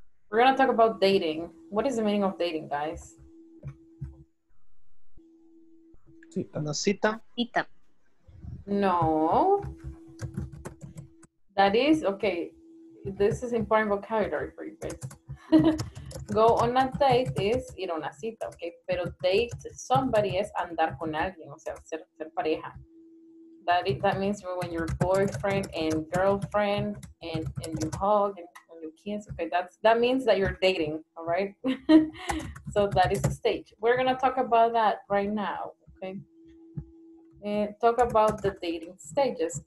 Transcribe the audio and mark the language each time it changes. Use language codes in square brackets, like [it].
[en] We're gonna talk about dating. What is the meaning of dating, guys? [es] Una cita. Cita. No. [en] That is, okay, this is important vocabulary for you guys. Go on a date is [es] ir a una cita, [en] okay? [es] Pero [en] date somebody [es] es andar con alguien, o sea, ser pareja. [en] That means when your boyfriend and girlfriend and you hug and you kiss, okay? That means that you're dating, all right? So that is the stage. We're going to talk about that right now, okay? And talk about the dating stages.